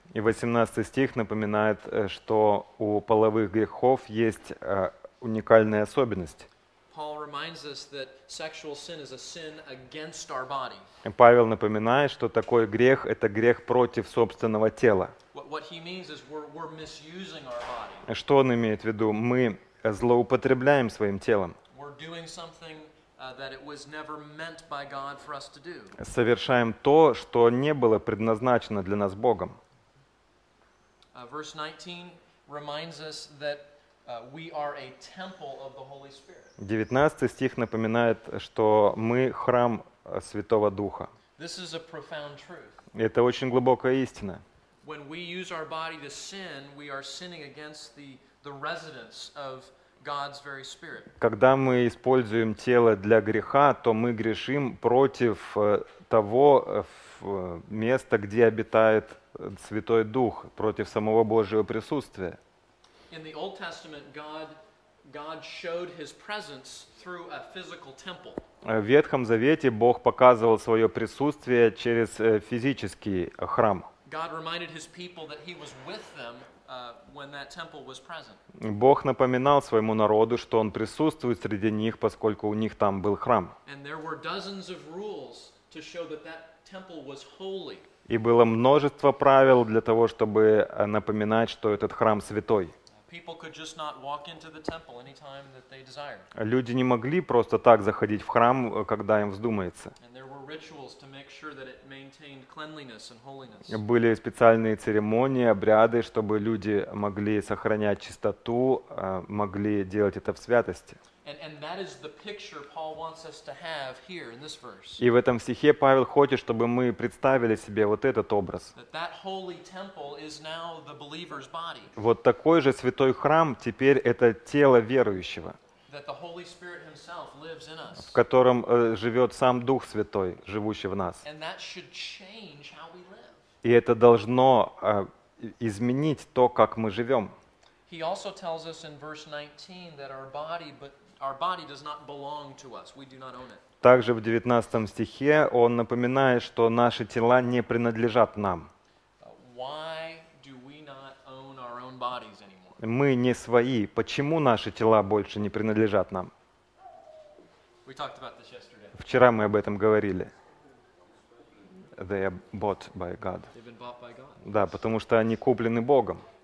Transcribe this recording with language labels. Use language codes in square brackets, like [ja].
[ru] И 18 стих напоминает, что у половых грехов есть уникальная особенность. [en] Paul reminds us that sexual sin is a sin against our body. [ru] Павел напоминает, что такой грех — это грех против собственного тела. [en] What he means is we're misusing our body. [ru] Что он имеет в виду? Мы злоупотребляем своим телом. [en] We're doing something that it was never meant by God for us to do. [ru] Совершаем то, что не было предназначено для нас Богом. [en] Verse 19 reminds us that we are a temple of the Holy Spirit. [ru] 19 стих напоминает, что мы храм Святого Духа. [en] This is a profound truth. [ru] Это очень глубокая истина. [en] When we use our body to sin, we are sinning against the residence of God's very Spirit. [ru] Когда мы используем тело для греха, то мы грешим против того места, где обитает Святой Дух, против самого Божьего присутствия. [en] In the Old Testament, God showed His presence through a physical temple. [ru] В Ветхом Завете Бог показывал свое присутствие через физический храм. [en] God reminded His people that He was with them when that temple was present. [ru] Бог напоминал своему народу, что Он присутствует среди них, поскольку у них там был храм. [en] And there were dozens of rules to show that temple was holy. [ru] И было множество правил для того, чтобы напоминать, что этот храм святой. [en] People could just not walk into the temple anytime that they desired. [ru] Люди не могли просто так заходить в храм, когда им вздумается. [en] And there were rituals to make sure that it maintained cleanliness and holiness. [ru] Были специальные церемонии, обряды, чтобы люди могли сохранять чистоту, могли делать это в святости. [en] And that is the picture Paul wants us to have here in this verse. [ru] И в этом стихе Павел хочет, чтобы мы представили себе вот этот образ. [en] That holy temple is now the believer's body. [ru] Вот такой же святой храм теперь это тело верующего. [en] That the Holy Spirit himself lives in us. [ru] В котором живет сам Дух Святой, живущий в нас. [en] And that should change how we live. [ru] И это должно изменить то, как мы живем. [en] He also tells us in verse 19 that our body does not belong to us. We do not own it. [ru] Также в 19 стихе он напоминает, что наши тела не принадлежат нам. [en] Why do we not own our own bodies anymore? [ru] Мы не свои. Почему наши тела больше не принадлежат нам? [en] We talked about this yesterday. [ru] Вчера мы об этом говорили. [en] They are bought by God. They've been bought by God. [ru] Да, потому что они куплены Богом.